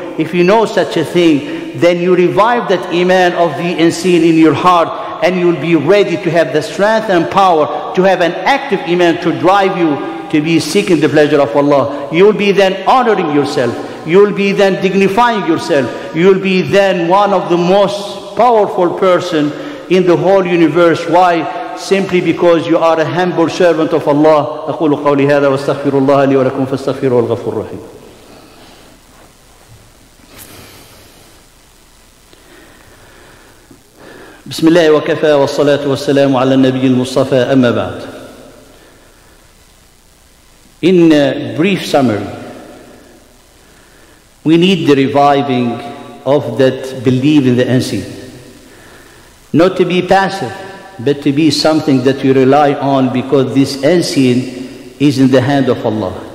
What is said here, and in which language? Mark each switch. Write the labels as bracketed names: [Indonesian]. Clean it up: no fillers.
[English] If you know such a thing, then you revive that iman of the unseen in your heart, and you'll be ready to have the strength and power to have an active iman to drive you to be seeking the pleasure of Allah. You'll be then honoring yourself. You'll be then dignifying yourself. You'll be then one of the most powerful person in the whole universe. Why? Simply because you are a humble servant of Allah. [Arabic] أقول قولي هذا واستغفر الله لي ولكم فاستغفروا الغفور الرحيم. بسم الله وكفى والصلاة والسلام على النبي المصطفى أما بعد. [English] In a brief summary, we need the reviving of that belief in the unseen. Not to be passive, but to be something that you rely on, because this unseen is in the hand of Allah.